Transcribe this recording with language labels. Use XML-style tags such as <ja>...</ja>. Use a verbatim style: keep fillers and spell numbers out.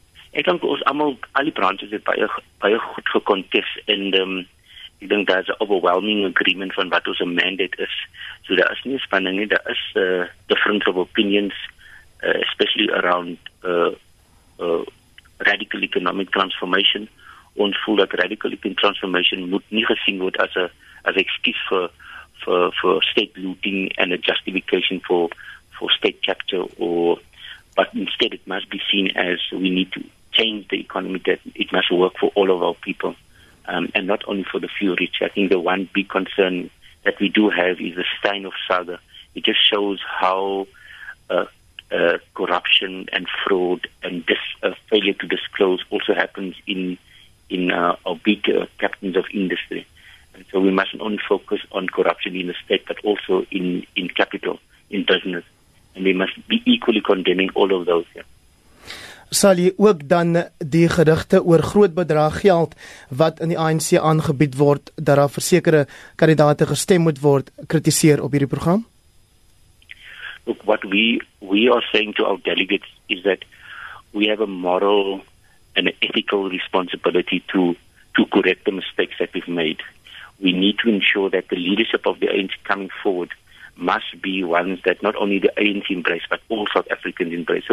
<af>Ek dink ons almal, al die branches het baie, baie goed gekontest en um, ek dink daar is 'n</af> <en>overwhelming agreement</en> <af>van wat ons mandate is. So daar is nie spanning nie, daar is uh,</af> <en>difference of opinions Uh, especially around uh, uh, radical economic transformation.</en> <af>Ons voel dat</af> <en>radical economic transformation</en> <af>moet nie gesien word as 'n as 'n ekskuus vir</af> <en>for, for state looting and a justification for, for state capture, or but instead it must be seen as we need to change the economy, that it must work for all of our people, um, and not only for the few rich. I think the one big concern that we do have is the Stein of Saga. It just shows how uh, uh, corruption and fraud and dis- uh, failure to disclose also happens in in uh, our big uh, captains of industry. And so we mustn't only focus on corruption in the state, but also in, in capital, in business. And we must be equally condemning all of those. Yeah.</en> <af>Sal jy ook dan die gerugte oor groot bedrag geld wat in die A N C aangebied word, dat daar vir sekere kandidaate gestem moet word, kritiseer op hierdie program?</af> <en>Look, what we we are saying to our delegates is that we have a moral and an ethical responsibility to to correct the mistakes that we've made. We need to ensure that the leadership of the A N C coming forward must be ones that not only the A N C embrace, but all South Africans embrace.</en>